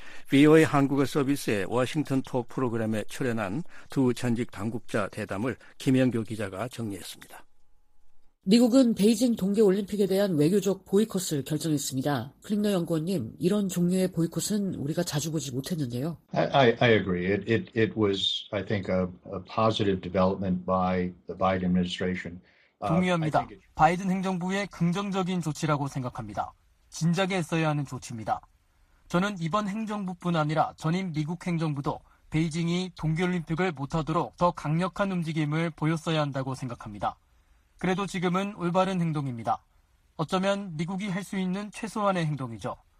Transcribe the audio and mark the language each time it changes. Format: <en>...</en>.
<ko>VOA 한국어 서비스의 워싱턴 톡 프로그램에 출연한 두 전직 당국자 대담을 김영교 기자가 정리했습니다. 미국은 베이징 동계올림픽에 대한 외교적 보이콧을 결정했습니다. 클링너 연구원님, 이런 종류의 보이콧은 우리가 자주 보지 못했는데요.</ko> <en>I agree. It was, I think, a positive development by the Biden administration.</en> <ko>동의합니다. 바이든 행정부의 긍정적인 조치라고 생각합니다. 진작에 했어야 하는 조치입니다. 저는 이번 행정부뿐 아니라 전임 미국 행정부도 베이징이 동계올림픽을 못하도록 더 강력한 움직임을 보였어야 한다고 생각합니다. 그래도 지금은 올바른 행동입니다. 어쩌면 미국이 할 수 있는 최소한의 행동이죠.</ko>